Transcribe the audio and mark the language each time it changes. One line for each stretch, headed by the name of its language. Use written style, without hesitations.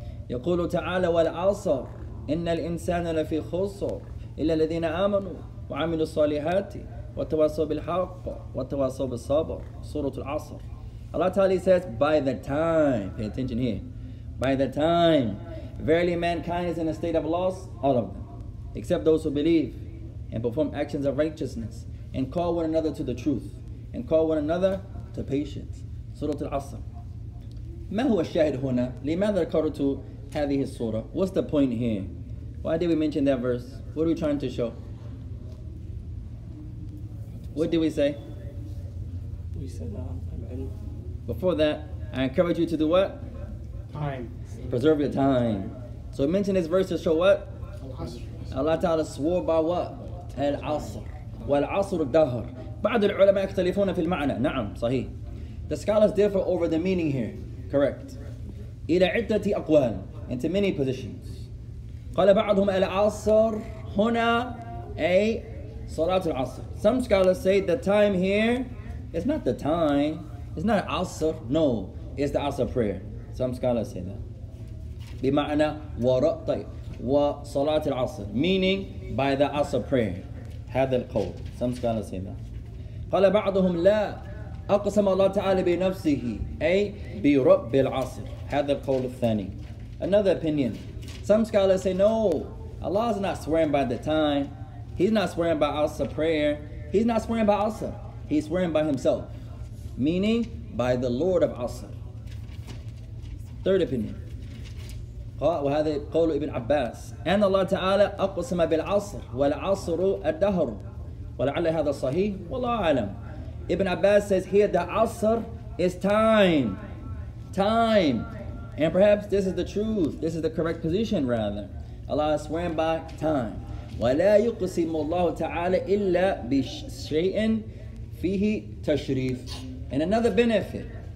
Arabic: يقول تعالى والعصر إن الإنسان لفي خسر إلا الذين آمنوا وعملوا الصالحات وتواصوا بالحق وتواصوا بالصبر. سورة العصر.
English: Allah Ta'ala says by the time. Pay attention here. by the time. Verily, mankind is in a state of loss, all of them, except those who believe and perform actions of righteousness and call one another to the truth and call one another to patience. Surah Al-Asr.
Arabic: ما هو الشاهد هنا؟ لماذا ذكرت هذه السورة؟
English: What's the point here? Why did we mention that verse? What are we trying to show? What did we say? We said before that, I encourage you to do what? Time. Preserve your time. So we mentioned this verse to show what? Al-Asr. Allah Ta'ala swore by what? Al-Asr. Wal-Asr al-Dahr.
Arabic: بعض العلماء يختلفون في المعنى. نعم صحيح.
English: The scholars differ over the meaning here. Correct.
Arabic: إلى عدة أقوال.
English: Into many positions.
Arabic: قال بعضهم العصر هنا أي صلاة العصر.
English: Some scholars say the time here is not the time. It's not عصر. No. It's the عصر prayer. Some scholars say that.
Arabic: بمعنى وراء طيب وصلاة العصر.
English: Meaning by the عصر prayer.
Arabic: هذا القول.
English: Some scholars say that.
Arabic: قال بعضهم لا أقسم الله تعالى بنفسه أي برب العصر. هذا القول الثاني.
English: Another opinion. Some scholars say, no, Allah is not swearing by the time. He's not swearing by Asr prayer. He's not swearing by Asr. He's swearing by himself, meaning by the Lord of Asr. Third opinion.
Arabic: وهذا قول ابن عباس. أن الله تعالى أقسم بالعصر والعصر الدهر. ولعل هذا صحيح والله أعلم.
English: Ibn Abbas says here the Asr is time. Time. And perhaps this is the truth. This is the correct position rather. Allah is swearing by time.
Arabic: وَلَا يُقْسِمُ اللَّهُ تَعَالَى إِلَّا بِشَيْءٍ فِيهِ تَشْرِيفٍ.
English: And another benefit.